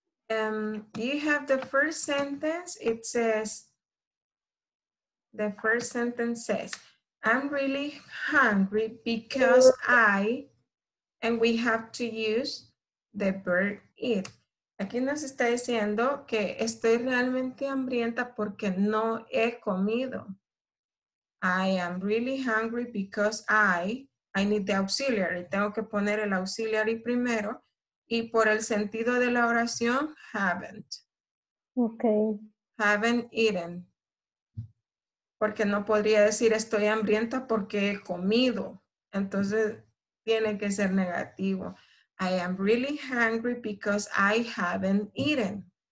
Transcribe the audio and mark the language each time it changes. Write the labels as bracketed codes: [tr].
[en] You have the first sentence. It says, the first sentence says, I'm really hungry because I, and we have to use the verb eat. [es] Aquí nos está diciendo que estoy realmente hambrienta porque no he comido. [en] I am really hungry because I need the auxiliary. [es] Tengo que poner el auxiliary primero. Y por el sentido de la oración, haven't. [en] Okay. Haven't eaten. [es] Porque no podría decir estoy hambrienta porque he comido. Entonces, tiene que ser negativo. [en] I am really hungry because I haven't eaten.